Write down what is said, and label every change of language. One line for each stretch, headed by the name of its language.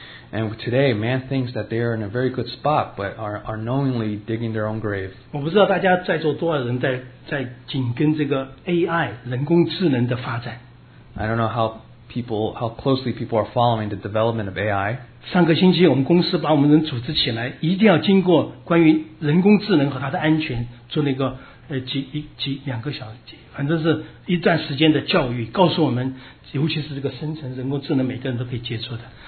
English: And today, man thinks that they are in a very good spot, but are knowingly digging their own grave.
Chinese: 我不知道大家在座多少人在紧跟这个AI 人工智能的发展。
English: I don't know how closely people are following the development of AI.
Chinese: 上个星期我们公司把我们人组织起来, 一定要经过关于人工智能和它的安全做那个两个小节。反正是一段时间的教育, 告诉我们, 尤其是这个深层人工智能每个人都可以接触的。